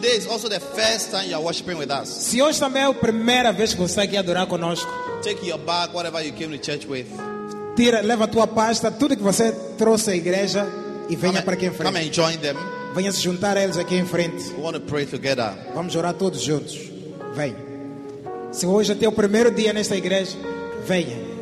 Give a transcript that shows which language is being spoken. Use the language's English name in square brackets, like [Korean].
[English] Also the first time you are worshiping with us. [Portuguese] Se hoje também é a primeira vez que você está aqui adorar conosco. [English] Take your bag, whatever you came to church with. [Portuguese] Tira, leva a tua pasta, tudo que você trouxe à igreja e venha [English] come [Portuguese] para aqui em frente. [English] Come and join them. [Portuguese] Venha se juntar a eles aqui em frente. [English] We want to pray together. [Portuguese] Vamos orar todos juntos. Vem. Se hoje é teu primeiro dia nesta igreja, venha.